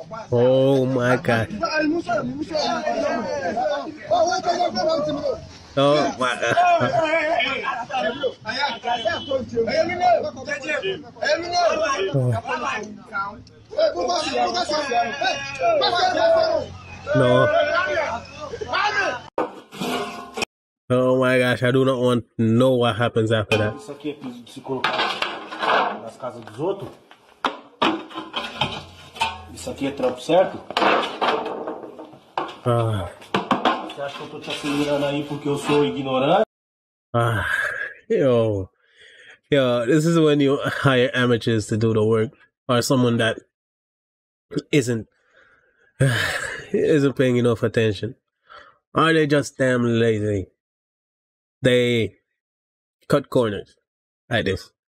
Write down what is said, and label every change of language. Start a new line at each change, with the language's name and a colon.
English: Oh my god. Oh my god. No. Oh my gosh, I do not want to know what happens after that.
Portuguese: Isso aqui é piso de se colocar nas casas dos outros. Isso aqui é trampo certo? Ah. Você acha que eu tô te acelerando aí porque eu sou ignorante?
English: Yo, this is when you hire amateurs to do the work, or someone that isn't paying enough attention. Are they just damn lazy? They cut corners like this.